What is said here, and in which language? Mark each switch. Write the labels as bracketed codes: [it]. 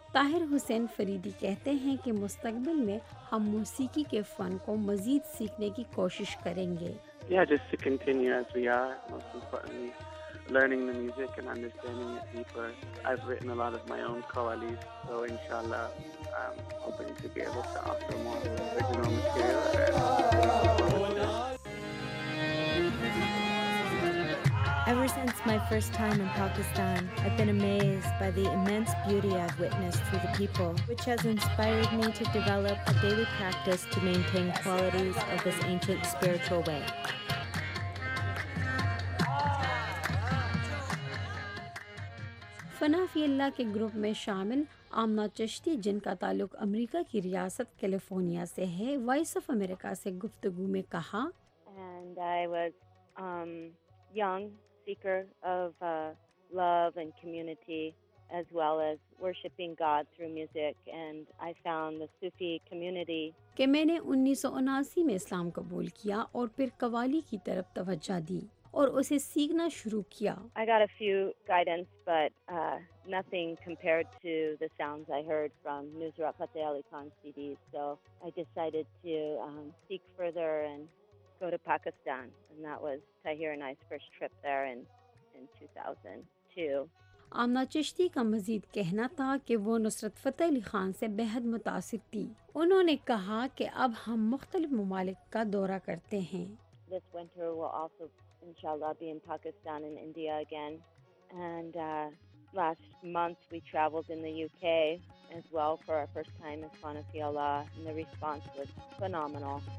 [ur] طاہر حسین فریدی کہتے ہیں کہ مستقبل میں ہم موسیقی کے فن کو مزید سیکھنے کی کوشش کریں گے۔ [en] Yeah, just to continue as we are, most importantly, learning the music and understanding it deeper. I've written a lot of my own qawwalis, so inshallah, I'm hoping to be able to offer more original material. Ever since my first time in Pakistan, I've been amazed by the immense beauty I've witnessed through the people, which has inspired me to develop a daily practice to maintain qualities of this ancient spiritual way. [ur] فنا فی اللہ کے group میں شامل آمنہ چشتی، جن کا تعلق امریکہ کی ریاست کیلیفورنیا سے ہے، وائس آف امریکہ سے گفتگو میں کہا، [en] And I was young seeker of love and community as well as worshiping God through music and I found the Sufi community [ur] کہ میں نے 1979 میں اسلام قبول کیا اور پھر قوالی کی طرف توجہ دی اور اسے سیکھنا شروع کیا۔ [en] I got a few guidance but nothing compared to the sounds I heard from Nusrat Fateh Ali Khan CDs so I decided to seek further and go to Pakistan and that was Tahir and I's first trip there in 2002. [ur] Amna Chishti کا مزید کہنا تھا کہ وہ نصرت فتح علی خان سے بہت متاثر تھی۔ انہوں نے کہا کہ اب ہم مختلف ممالک کا دورہ کرتے ہیں۔ [en] This winter we'll also inshallah be in Pakistan and India again and last month we traveled in the UK as well for our first time as Fana Fi Allah and the response was phenomenal.